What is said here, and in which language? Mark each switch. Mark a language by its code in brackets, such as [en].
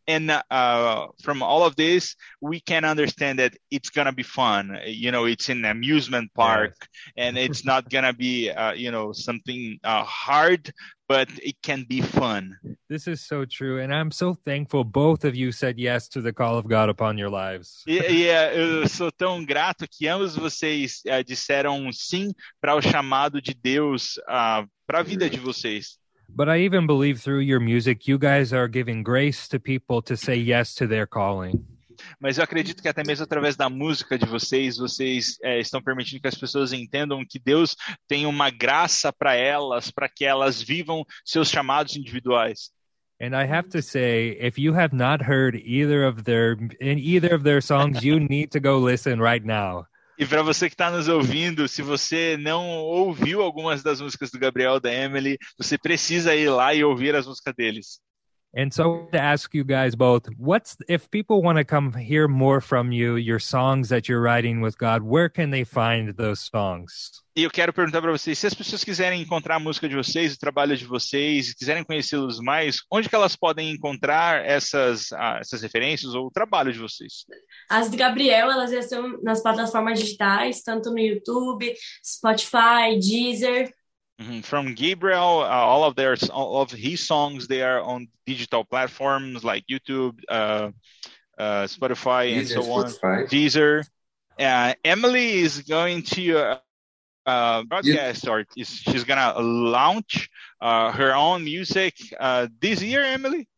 [en] And from all of this, we can understand that it's going to be fun. You know, it's an amusement park and it's not going to be, you know, something hard, but it can be fun. This is so true. And I'm so thankful both of you said yes to the call of God upon your lives. Yeah, [pt] eu sou tão grato que ambos vocês disseram sim para o chamado de Deus para a vida de vocês. [en] But I even believe through your music, you guys are giving grace to people to say yes to their calling. [pt] Mas eu acredito que até mesmo através da música de vocês, vocês estão permitindo que as pessoas entendam que Deus tem uma graça para elas, para que elas vivam seus chamados individuais. [en] And I have to say, if you have not heard either of their songs, you need to go listen right now. [pt] E para você que está nos ouvindo, se você não ouviu algumas das músicas do Gabriel, da Emily, você precisa ir lá e ouvir as músicas deles. [en] And so to ask you guys both, what's if people want to come hear more from you, your songs that you're writing with God, where can they find those songs? [pt] E eu quero perguntar para vocês, se as pessoas quiserem encontrar a música de vocês, o trabalho de vocês, quiserem conhecê-los mais, onde que elas podem encontrar essas referências ou o trabalho de vocês? As do Gabriel, elas já estão nas plataformas digitais, tanto no YouTube, Spotify, Deezer. [en] From Gabriel, all of his songs, they are on digital platforms like YouTube, Spotify, and so on. Deezer. Emily is going to broadcast, yeah. She's going to launch her own music this year, Emily?